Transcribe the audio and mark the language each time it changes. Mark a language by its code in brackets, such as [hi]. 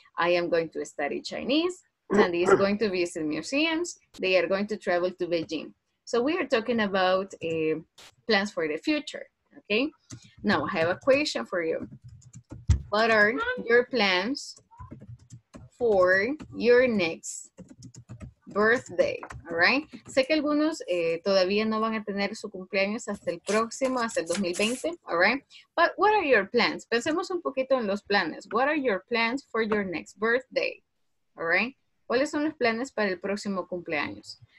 [en] I am going to study Chinese, Sandy is going to visit museums, they are going to travel to Beijing. So we are talking about plans for the future. Okay, now I have a question for you. What are your plans for your next birthday? [es] All right, sé que algunos todavía no van a tener su cumpleaños hasta el próximo, hasta el 2020. [en] All right, but what are your plans? [es] Pensemos un poquito en los planes. [en] What are your plans for your next birthday? [es] All right, ¿cuáles son los planes para el próximo cumpleaños?